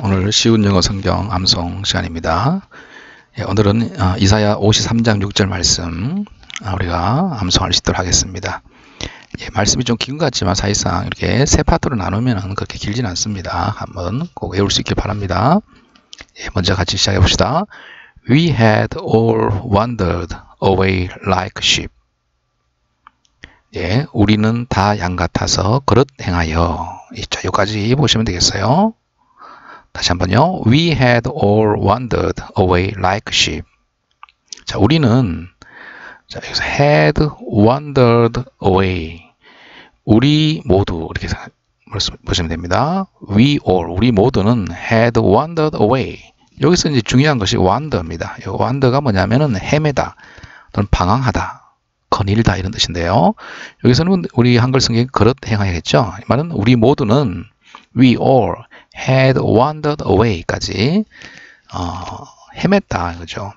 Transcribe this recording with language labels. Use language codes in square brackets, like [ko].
[ko] 오늘 쉬운 영어 성경 암송 시간입니다. 예, 오늘은 이사야 53장 6절 말씀 우리가 암송할 수 있도록 하겠습니다. 예, 말씀이 좀긴것 같지만 사실상 이렇게 세 파트로 나누면 그렇게 길진 않습니다. 한번 꼭 외울 수 있길 바랍니다. 예, 먼저 같이 시작해 봅시다. [en] We had all wandered away like sheep. [ko] 예, 우리는 다양 같아서 그릇 행하여. 자, 여기까지 보시면 되겠어요. 다시 한번요. [en] We had all wandered away like sheep. [ko] 자, 우리는 자, 여기서 had wandered away. 우리 모두 이렇게 보시면 됩니다. We all 우리 모두는 [en] had wandered away. [ko] 여기서 이제 중요한 것이 wander입니다. 이 wander가 뭐냐면은 헤매다 또는 방황하다, 거닐다 이런 뜻인데요. 여기서는 우리 한글 성경이 그릇 행하겠죠. 이 말은 우리 모두는 [en] we all had wandered away [ko] 까지, 헤맸다, 그죠?